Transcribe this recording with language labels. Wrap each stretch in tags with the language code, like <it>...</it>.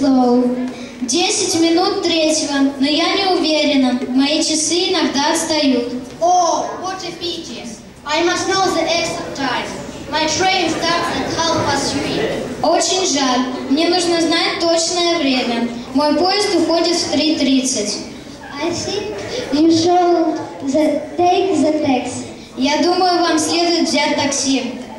<ru>Мои часы иногда отстают.</ru> <en>Oh, what a pity. I must know the exact time. My train starts at 3:30.</en> <ru>Очень жаль. Мне нужно знать точное время. Мой поезд уходит в 3:30.</ru> <en>I think you should take the taxi.</en> <ru>Я думаю, вам следует взять такси.</ru>